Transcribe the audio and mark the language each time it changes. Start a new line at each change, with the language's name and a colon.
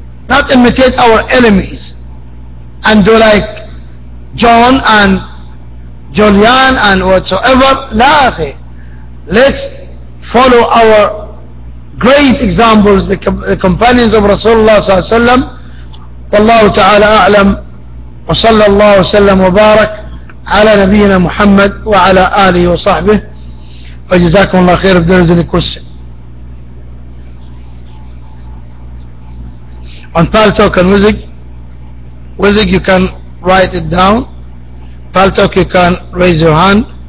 English: not imitate our enemies. And do like John and Julian and whatsoever.
Arabic: لا أخي.
English: Let's follow our great examples, the companions of Rasulullah
Arabic: صلى الله عليه وسلم. والله تعالى أعلم. وصلى الله وسلم وبارك على نبينا محمد وعلى آله وصحبه. وجزاكم الله خير بدرجة الكرسي.
English: On Paltalk and Wizig, Wizig you can write it down. Paltalk you can raise your hand.